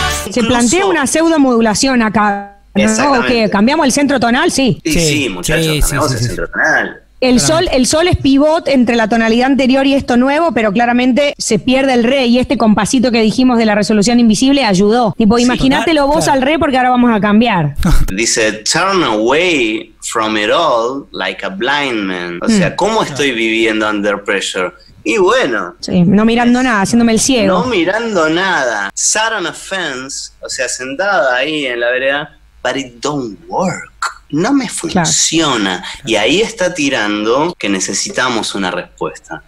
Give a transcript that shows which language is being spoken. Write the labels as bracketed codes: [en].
[es] Se plantea una pseudo modulación acá. No, okay. ¿Cambiamos el centro tonal? Sí. Sí, muchachos, cambiamos el centro tonal. El sol es pivot entre la tonalidad anterior y esto nuevo, pero claramente se pierde el re, y este compasito que dijimos de la resolución invisible ayudó. Tipo, sí, imagínatelo vos claro. Al re, porque ahora vamos a cambiar. Dice, [en] turn away from it all like a blind man. [es] O sea, ¿cómo estoy viviendo [en] under pressure? [es] Y bueno. Sí, no mirando nada, haciéndome el ciego. No mirando nada. [en] Sat on a fence, [es] o sea, sentada ahí en la vereda. [en] But it don't work. [es] No me funciona. Claro. Y ahí está tirando que necesitamos una respuesta.